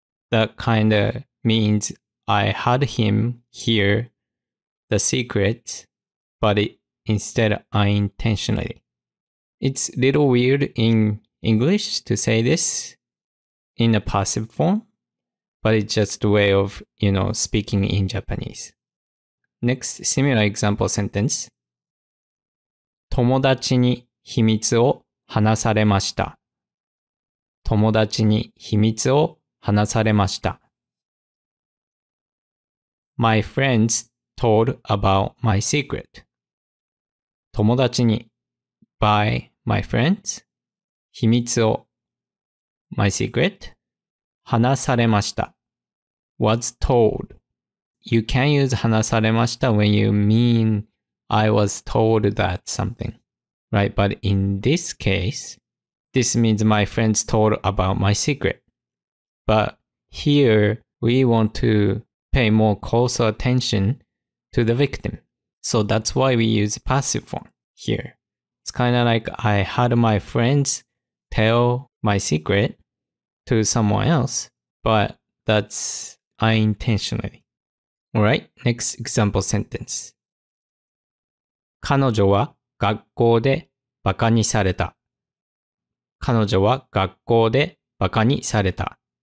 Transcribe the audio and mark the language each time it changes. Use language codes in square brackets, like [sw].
[en] That kind of means I had him hear the secret, but instead unintentionally. It's a little weird in English to say this in a passive form, but it's just a way of, you know, speaking in Japanese. Next, similar example sentence. [ja] 友達に秘密を話されました。友達に秘密を話されました。 [en] My friends told about my secret. [ja] 友達に [en] by my friends [ja] 秘密を [en] my secret [ja] 話されました。 [en] was told. You can use 話されました when you mean I was told that something. Right? But in this case, this means my friends told about my secret. But here, we want to pay more closer attention to the victim. So that's why we use passive form here. It's kind of like I had my friends tell my secret to someone else, but that's unintentionally. Alright, next example sentence. [ja] 彼女は学校でバカにされた。彼女は学校でバカにされた。